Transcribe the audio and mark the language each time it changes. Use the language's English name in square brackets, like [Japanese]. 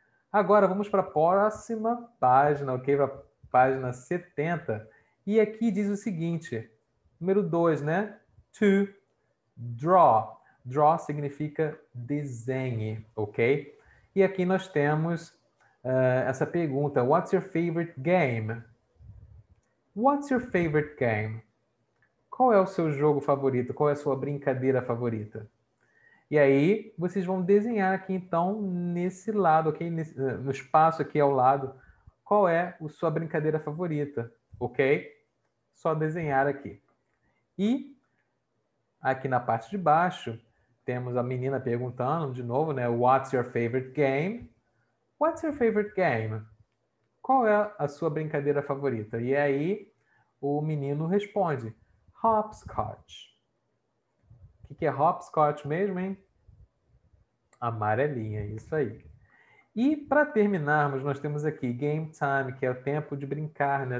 [Portuguese] Agora vamos para a próxima página, ok? Para a página 70. E aqui diz o seguinte, número 2, né? [English] To draw. [Portuguese] Draw significa desenhe, ok? E aqui nós temos essa pergunta. [English] What's your favorite game? What's your favorite game? [Portuguese] Qual é o seu jogo favorito? Qual é a sua brincadeira favorita? E aí, vocês vão desenhar aqui, então, nesse lado, okay? No espaço aqui ao lado, qual é a sua brincadeira favorita, ok? Só desenhar aqui. E aqui na parte de baixo, temos a menina perguntando, de novo, né? [English] What's your favorite game? What's your favorite game? [Portuguese] Qual é a sua brincadeira favorita? E aí, o menino responde, hopscotch. O que é hopscotch mesmo, hein? Amarelinha, isso aí. E para terminarmos, nós temos aqui game time, que é o tempo de brincar, né?